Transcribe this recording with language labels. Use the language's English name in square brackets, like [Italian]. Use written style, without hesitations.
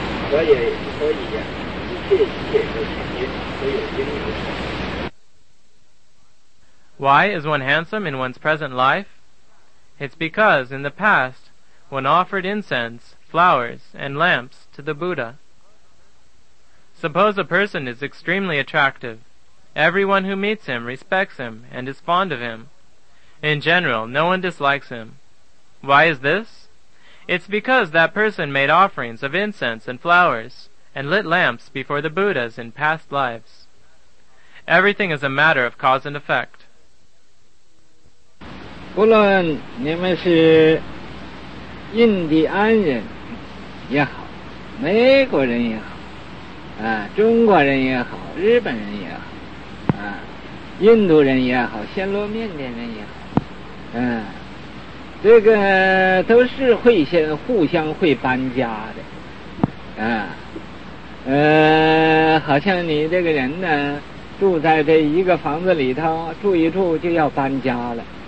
[Chinese] 所以呀，一切都是因，都有因由。 [English] Why is one handsome in one's present life? It's because in the past, one offered incense, flowers, and lamps to the Buddha. Suppose a person is extremely attractive. Everyone who meets him respects him and is fond of him. In general, no one dislikes him. Why is this? It's because that person made offerings of incense and flowers and lit lamps before the Buddhas in past lives. Everything is a matter of cause and effect. [Chinese] 不论你们是印第安人也好，美国人也好，中国人也好，日本人也好，印度人也好，暹罗缅甸人也好，这个都是互相会搬家的，好像你这个人呢，住在这一个房子里头，住一住就要搬家了。